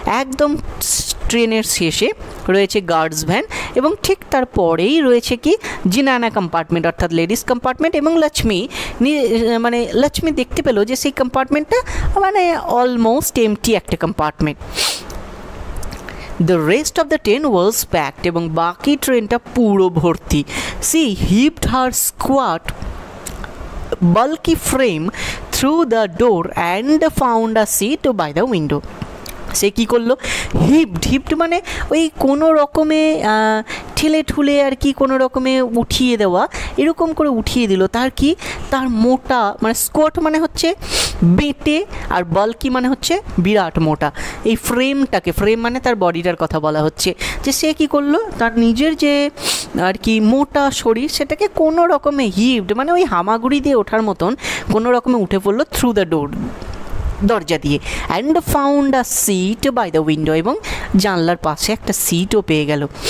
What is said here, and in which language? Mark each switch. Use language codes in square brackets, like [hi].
[bn] একদম ট্রেনের শেষে রয়েছে গার্ডস ভ্যান এবং ঠিক তার পরেই রয়েছে কি জিনানা কম্পার্টমেন্ট অর্থাৎ লেডিস কম্পার্টমেন্ট। এবং লক্ষ্মী মানে লক্ষ্মী দেখতে পেলো যে সেই কম্পার্টমেন্টটা মানে অলমোস্ট এমটি একটা compartment. [en] The rest of the train was packed, [bn] এবং বাকি ট্রেনটা পুরো ভর্তি। [en] She heaped her squat bulky frame through the door and found a seat by the window. [bn] সে কি করলো, হিপড, হিপড মানে ওই কোনো রকমে ঠেলে ঠুলে আর কি, কোনো রকমে উঠিয়ে দেওয়া, এরকম করে উঠিয়ে দিল। তার কি, তার মোটা মানে স্কোয়াট মানে হচ্ছে বেঁটে, আর বাল্কি মানে হচ্ছে বিরাট মোটা, এই ফ্রেমটাকে, ফ্রেম মানে তার বডিটার কথা বলা হচ্ছে, যে সে কি করলো তার নিজের যে আর কি মোটা শরীর সেটাকে কোনো রকমে হিপড মানে ওই হামাগুড়ি দিয়ে ওঠার মতন কোনো রকমে উঠে পড়লো [en] through the door, [bn] দরজা দিয়ে, [en] and found a seat by the window, [bn] এবং জানলার পাশে একটা সিটও পেয়ে গেল।